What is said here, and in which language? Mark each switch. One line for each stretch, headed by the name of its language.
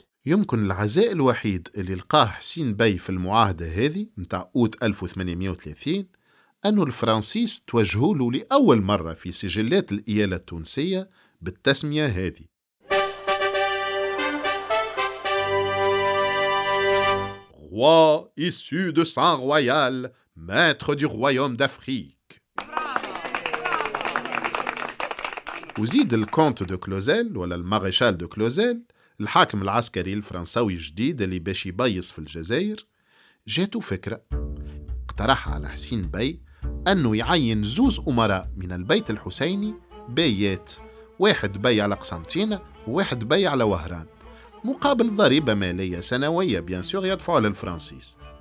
Arabic: يمكن العزاء الوحيد اللي لقاه حسين بي في المعاهدة هذه متاع أوت 1830 أنه الفرنسيس توجهوله لأول مرة في سجلات الإيالة التونسية بالتسمية هذه.
French: Roi issu de sang royal, maître du royaume d'Afrique.
Arabic: وزيد الكونت دو كلوزيل ولا المارشال دو كلوزيل، الحاكم العسكري الفرنساوي الجديد اللي باش يبيص في الجزائر، جاتو فكرة. اقترح على حسين بي أنه يعين زوز أمراء من البيت الحسيني بيات، واحد بي على قسنطينة وواحد بي على وهران، مقابل ضريبة مالية سنوية بيان سور يدفعها للفرنسيس.